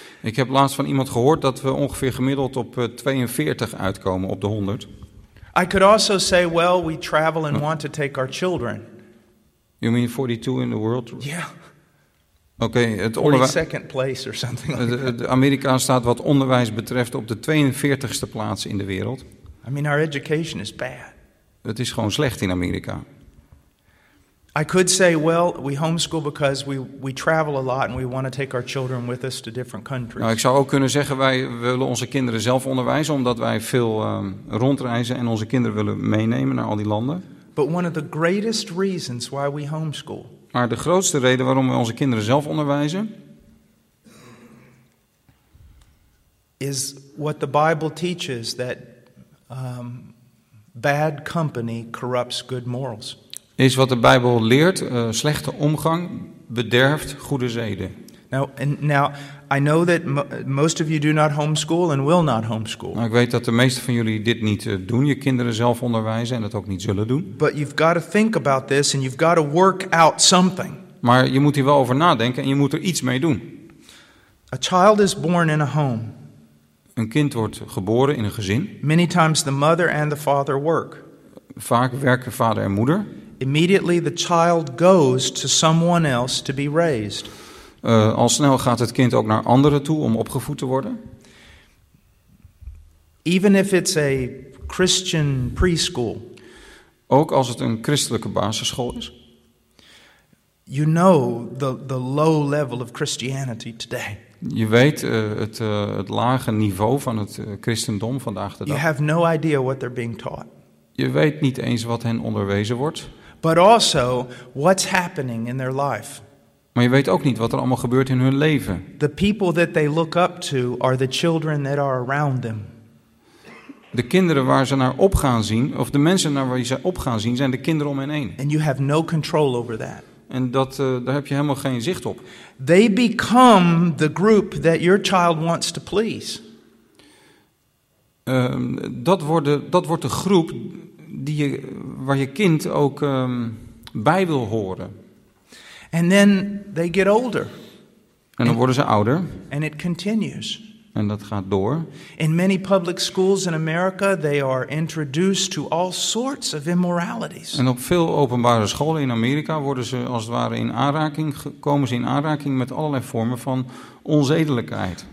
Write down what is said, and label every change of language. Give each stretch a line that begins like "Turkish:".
Dutch: Ik heb laatst van iemand gehoord dat we ongeveer gemiddeld op 42 uitkomen op de 100.
English: I could also say, well, we travel and want to take our children. You mean 42 in the world? Yeah.
Dutch: Okay, het
English: second place or something.
Dutch: De Amerika staat wat onderwijs betreft op de 42ste plaats in de wereld.
English: I mean, our education is bad.
Dutch: Het is gewoon slecht in Amerika.
English: I could say, well, we homeschool because we travel a lot and we want to take our children with us to different countries.
Dutch: Nou, ik zou ook kunnen zeggen, wij willen onze kinderen zelf onderwijzen omdat wij veel rondreizen en onze kinderen willen meenemen naar al die landen.
English: But one of the greatest reasons why we homeschool.
Dutch: Maar de grootste reden waarom we onze kinderen zelf onderwijzen
English: is what the Bible teaches that bad company corrupts good morals.
Dutch: Is wat de Bijbel leert, slechte omgang bederft goede zeden.
English: Now I know that most of you do not homeschool and will not homeschool.
Dutch: Nou, ik weet dat de meeste van jullie dit niet doen, je kinderen zelf onderwijzen en dat ook niet zullen doen.
English: But you've got to think about this and you've got to work out something.
Dutch: Maar je moet hier wel over nadenken en je moet er iets mee doen.
English: A child is born in a home.
Dutch: Een kind wordt geboren in een gezin.
English: Many times the mother and the father work.
Dutch: Vaak werken vader en moeder.
English: Immediately the child goes to someone else to be raised.
Dutch: Al snel gaat het kind ook naar anderen toe om opgevoed te worden.
English: Even if it's a Christian preschool.
Dutch: Ook als het een christelijke basisschool is.
English: You know the low level of Christianity today.
Dutch: Je weet het lage niveau van het christendom vandaag de dag.
English: You have no idea what they're being taught.
Dutch: Je weet niet eens wat hen onderwezen wordt.
English: But also what's happening in their life.
Dutch: Maar je weet ook niet wat er allemaal gebeurt in hun leven.
English: The people that they look up to are the children that are around them.
Dutch: De kinderen waar ze naar op gaan zien, of de mensen naar waar ze op gaan zien, zijn de kinderen om hen heen.
English: And you have no control over that.
Dutch: En dat, daar heb je helemaal geen zicht op.
English: They become the group that your child wants to please.
Dutch: Dat wordt de groep die je, waar je kind ook bij wil horen.
English: And then they get older.
Dutch: En dan worden ze ouder.
English: And it continues.
Dutch: En dat gaat door.
English: In many public schools in America, they are introduced to all sorts of immoralities.
Dutch: En op veel openbare scholen in Amerika worden ze als het ware in aanraking, komen ze in aanraking met allerlei vormen van onzedelijkheid.